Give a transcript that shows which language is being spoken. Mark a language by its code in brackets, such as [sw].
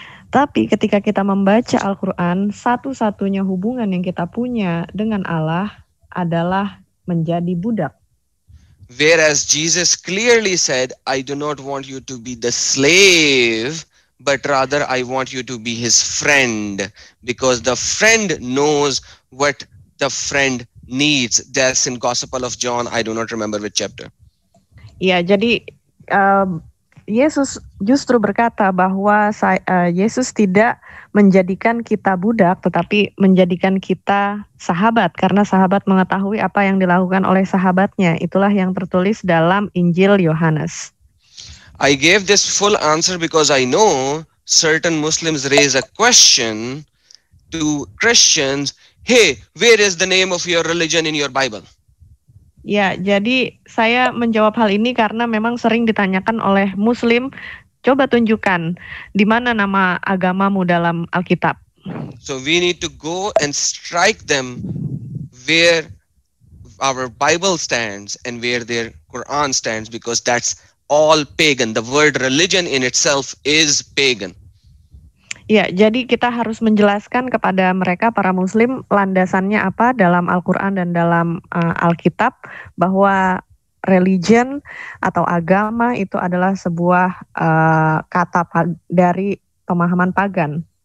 [id] Tapi ketika kita membaca Al-Quran, satu-satunya hubungan yang kita punya dengan Allah adalah menjadi budak. [en] Whereas Jesus clearly said, I do not want you to be the slave, but rather I want you to be his friend, because the friend knows what the friend needs. That's in Gospel of John, I do not remember which chapter. [id] Ya, jadi Yesus justru berkata bahwa Yesus tidak menjadikan kita budak, tetapi menjadikan kita sahabat, karena sahabat mengetahui apa yang dilakukan oleh sahabatnya. Itulah yang tertulis dalam Injil Yohanes. [en] I gave this full answer because I know certain Muslims raise a question to Christians, hey, where is the name of your religion in your Bible? [id] Ya, jadi saya menjawab hal ini karena memang sering ditanyakan oleh Muslim, coba tunjukkan di mana nama agamamu dalam Alkitab. [en] So we need to go and strike them where our Bible stands and where their Quran stands, because that's all pagan. The word religion in itself is pagan. [id] Ya, jadi kita harus menjelaskan kepada mereka, para Muslim, landasannya apa dalam Al-Quran dan dalam Alkitab, bahwa religion atau agama itu adalah sebuah kata dari pemahaman pagan.